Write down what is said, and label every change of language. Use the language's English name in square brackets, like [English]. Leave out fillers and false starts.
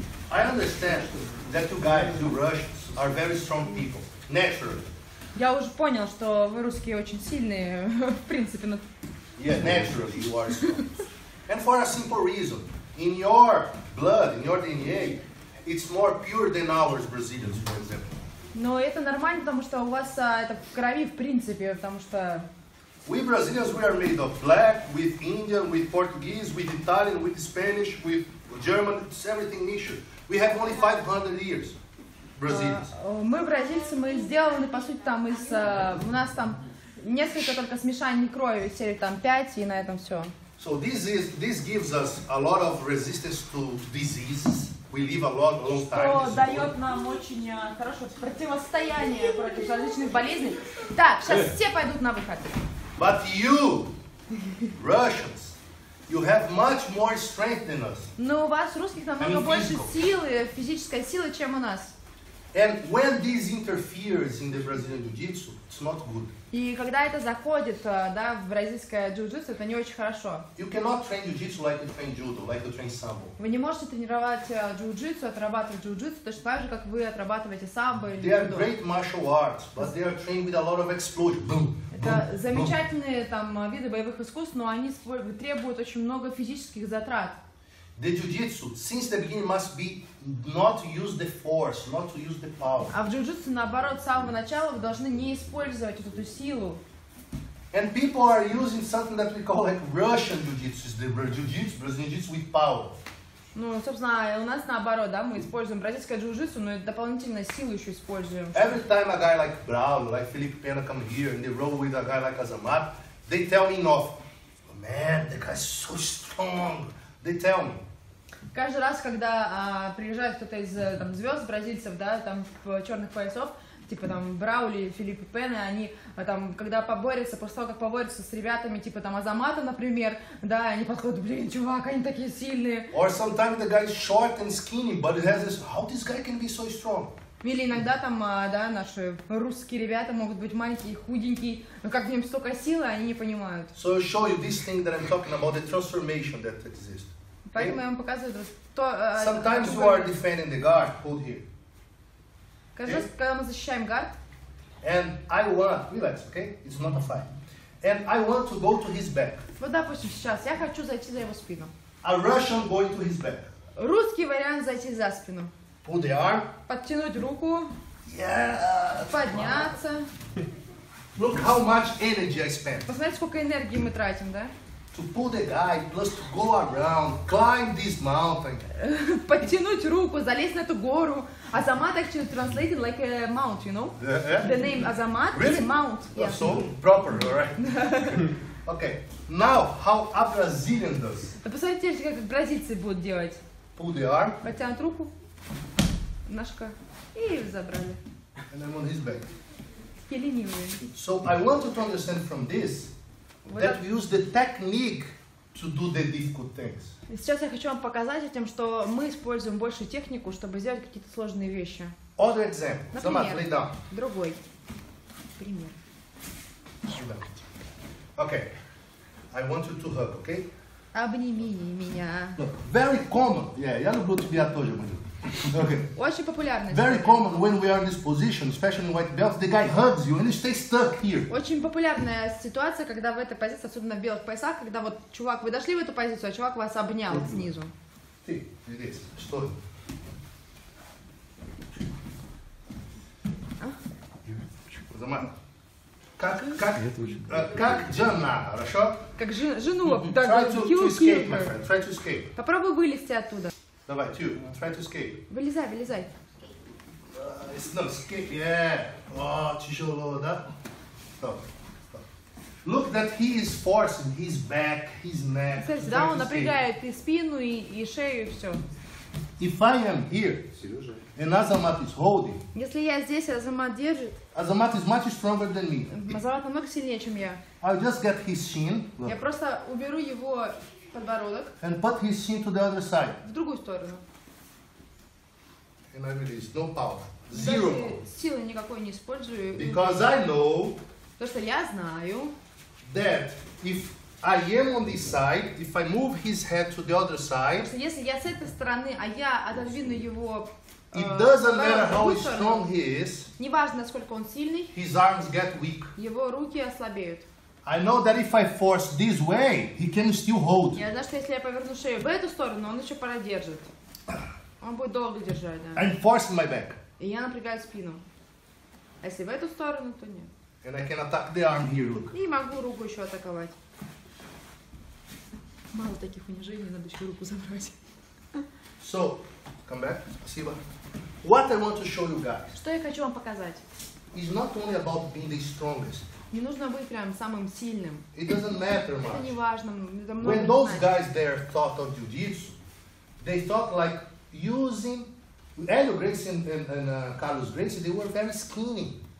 [English] I understand that you guys, you Russians, are very strong people, naturally. [Russian] Я уже понял, что вы русские очень сильные, в принципе, но... [English] Yeah, naturally you are strong. And for a simple reason. In your blood, in your DNA, it's more pure than ours, Brazilians, for example. [Russian] Но это нормально, потому что у вас это в крови, в принципе, потому что... [English] We Brazilians, we are made of black, with Indian, with Portuguese, with Italian, with Spanish, with German, it's everything mixture. We have only 500 years, Brazilians. [Russian] Мы бразильцы, мы сделаны, по сути, там из... у нас там несколько только смешаний крови, серии там 5, и на этом все. [English] So this gives us a lot of resistance to diseases. We live a lot, long time. [Russian] Что дает нам очень хорошее противостояние против различных болезней. Так, сейчас все пойдут на выход. [English] But you, Russians, you have much more strength than us. [Russian] Но у вас, русских, намного больше силы, физической силы, чем у нас. [English] And when this interferes in the Brazilian jiu-jitsu, it's not good. [Russian] И когда это заходит, да, в бразильское джиу-джитсу, это не очень хорошо. [English] You cannot train jiu-jitsu like you train judo, like you train sambo. [Russian] Вы не можете тренировать джиу-джитсу, отрабатывать джиу-джитсу, точно так же, как вы отрабатываете самбо или джудо. [English] They are great martial arts, but they are trained with a lot of explosion. Boom. [Russian] Это замечательные там виды боевых искусств, но они требуют очень много физических затрат. [English] The jiu-jitsu, since the beginning, must be not to use the force, not to use the power. [Russian] А в джиу-джитсу, наоборот, с самого начала вы должны не использовать вот эту силу. [English] And people are using something that we call like Russian jiu-jitsu, the jiu-jitsu, Brazilian jiu-jitsu with power. [Russian] Ну, собственно, у нас наоборот, да, мы используем бразильское джиу-джитсу, но дополнительную силу еще используем. [English] Every time a guy like Brown, like Felipe Pena come here and they roll with a guy like Azamat, they tell me enough. Man, the guy's so strong. They tell me. [Russian] Каждый раз, когда приезжает кто-то из там звезд бразильцев, да, там в черных поясов, типа там Браули, Филиппе Пене, они там, когда поборются, после того, как поборются с ребятами, типа там Азамата, например, да, они подходят, блин, чувак, они такие сильные. [English] Or sometimes the guy is short and skinny, but he has this, how this guy can be so strong? [Russian] Или иногда там, да, наши русские ребята могут быть маленькие, худенькие, но как в нем столько силы, они не понимают. [English] So I'll show you this thing that I'm talking about, the transformation that exists. [Russian] Поэтому я вам показываю то... [English] Sometimes you are defending the guard, hold here. [Russian] Каждый раз, когда мы защищаем гард. [English] And I want, relax, okay? It's not a fight. And I want to go to his back. [Russian] Вот, допустим, сейчас я хочу зайти за его спину. [English] A Russian going to his back. [Russian] Русский вариант зайти за спину. [English] Pull the arm. [Russian] Подтянуть руку. [English] Yeah. [Russian] Подняться. [English] Look how much energy I spent. [Russian] Посмотрите, сколько энергии мы тратим, да? [English] To pull the guy, plus to go around, climb this mountain. [Russian] Подтянуть руку, залезть на эту гору. [English] Azamat actually translated like a mount, you know? Yeah. The name Azamat really? Is mount. Yeah. So proper, alright. Okay. Now how a Brazilian does? [Russian] Посмотрите, как бразильцы будут делать. [English] Pull the arm. [Russian] Подтянуть руку. Ножка. И забрали. [English] And I'm on his back. [Russian] Такие ленивые. [English] So I want you to understand from this that we use the technique to do the difficult things. [Russian] Сейчас я хочу вам показать тем, что мы используем больше технику, чтобы сделать какие-то сложные вещи. [English] Other example. [Russian] Например, [English] lay down. [Russian] Другой. Пример. Сюда. [English] Okay. I want you to hug, okay? [Russian] Обними меня. [English] Look, very common. Yeah, [Russian] я люблю тебя тоже, мой друг. [English] Okay. [Russian] Очень популярный. [English] Very common when we are in this position, especially in white belts, the guy hugs you and you stay stuck here. [Russian] Очень популярная ситуация, когда в этой позиции, особенно в белых поясах, когда вот чувак, вы дошли в эту позицию, а чувак вас обнял снизу. Ты, здесь, что? Замат. Как жена, хорошо? Как жену. Так, [English] try to escape, my friend. Try to escape. [Russian] Попробуй вылезти оттуда. Давай, [English] two. Try to escape. [Russian] Вылезай. [English] It's not escape, yeah. [Russian] О, тяжело, да? Стоп. [English] Look that he is forcing his back, his neck. [Russian] Кстати, да, он напрягает и спину, и шею, и все. [English] If I am here, Сережа, and Azamat is holding. [Russian] Если я здесь, Азамат держит. [English] Azamat is much stronger than me. [Russian] Азамат намного сильнее, чем я. [English] I'll just get his chin. [Russian] Я просто уберу его подбородок. [English] And put his chin to the other side. [Russian] В другую сторону. [English] And I release no power. Zero. [Russian] Силы никакой не использую. [English] Because I know. [Russian] То, что я знаю. [English] That if I am on this side, if I move his head to the other side. [Russian] Что если я с этой стороны, а я отодвину его. [English] It doesn't matter how strong he is. [Russian] Не важно, насколько он сильный. [English] His arms get weak. [Russian] Его руки ослабеют. [English] I know that if I force this way, he can still hold. [Russian] Я знаю, что если я поверну шею в эту сторону, он еще продержит. Он будет долго держать, да. [English] I'm forcing my back. [Russian] И я напрягаю спину. А если в эту сторону, то нет. [English] And I can attack the arm here, look. [Russian] И могу руку еще атаковать. Мало таких унижений, надо еще руку забрать. [English] So, come back. [Russian] Спасибо. [English] What I want to show you guys. [Russian] Что я хочу вам показать. [English] It's not only about being the strongest. [Russian] Не нужно быть прям самым сильным. [English] It doesn't matter much. [Russian] Это не важно. [English] When those guys there thought of jiu-jitsu, they thought like using Elio Gracie and Carlos Gracie, they were very skinny.